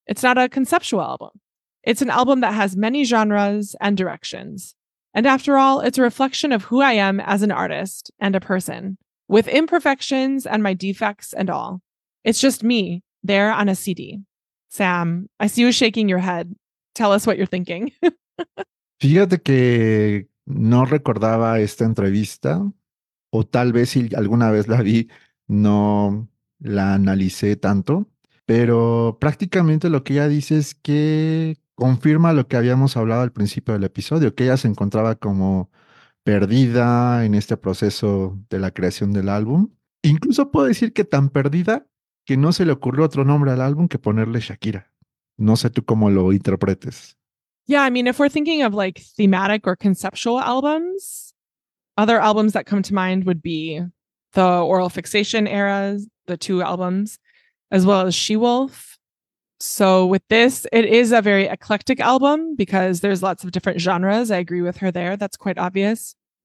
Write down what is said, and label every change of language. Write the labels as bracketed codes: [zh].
[en] It's not a conceptual album. It's an album that has many genres and directions. And after all, it's a reflection of who I am as an artist and a person, with imperfections and my defects and all. It's just me, there on a CD. Sam, I see you shaking your head. Tell us what you're thinking. [es] Fíjate que no recordaba esta entrevista, o tal vez si alguna vez la vi, no la analicé tanto, pero prácticamente lo que ella dice es que confirma lo que habíamos hablado al principio del episodio, que ella se encontraba como perdida en este proceso de la creación del álbum. Incluso puedo decir que tan perdida que no se le ocurrió otro nombre al álbum que ponerle Shakira. No sé tú cómo lo interpretes. [en] Yeah, I mean, if we're thinking of like thematic or conceptual albums, other albums that come to mind would be the Oral Fixation era, the two albums, as well as She-Wolf. So with this, it is a very eclectic album because there's lots of different genres. I agree with her there. That's quite obvious.